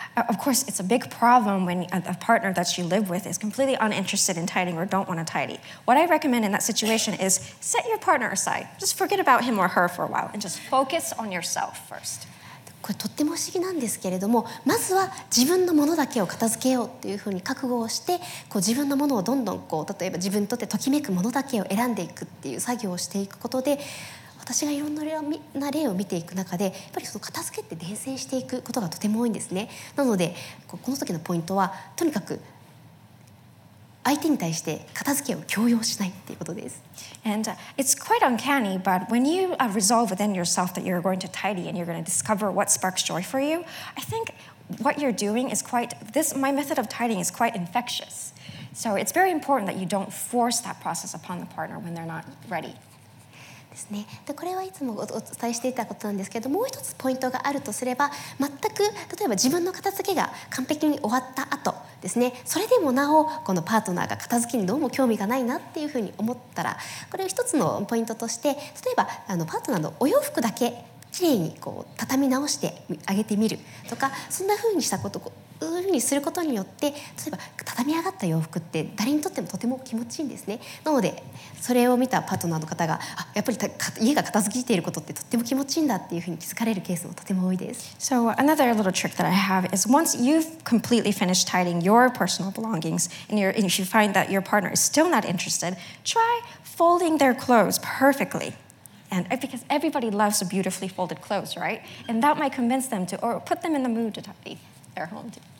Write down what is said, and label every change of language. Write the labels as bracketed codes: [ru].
[en] of course, it's a big problem when a partner that you live with is completely uninterested in tidying or don't want to tidy. What I recommend in that situation is set your partner aside. Just forget about him or her for a while and just focus on yourself first. [ja] これとっても不思議なんですけれども、まずは自分のものだけを片付けようっていうふうに覚悟をして、こう自分のものをどんどんこう例えば自分にとってときめくものだけを選んでいくっていう作業をしていくことで、私がいろんな例を見ていく中で、やっぱりその片付けって伝染していくことがとても多いんですね。なので、この時のポイントはとにかく相手に対して片付けを強要しないっていうことです。 [en] And it's quite uncanny, but when you resolve within yourself that you're going to tidy and you're going to discover what sparks joy for you, I think what you're doing is quite, this, my method of tidying is quite infectious. So it's very important that you don't force that process upon the partner when they're not ready. [ja] ですね、でこれはいつもお伝えしていたことなんですけど、もう一つポイントがあるとすれば、全く例えば自分の片付けが完璧に終わった後ですね、それでもなおこのパートナーが片付けにどうも興味がないなっていうふうに思ったら、これを一つのポイントとして、例えばパートナーのお洋服だけきれいにこう畳み直してあげてみるとか、そんなふうにしたことをそういうふうにすることによって、例えば畳み上がった洋服って誰にとってもとても気持ちいいんですね。なのでそれを見たパートナーの方が、あ、やっぱり家が片付けていることってとっても気持ちいいんだっていうふうに気づかれるケースもとても多いです。 [en] So another little trick that I have is once you've completely finished tidying your personal belongings and, and if you find that your partner is still not interested, try folding their clothes perfectly. And because everybody loves a beautifully folded clothes, right? And that might convince them to, or put them in the mood to tidy their home too.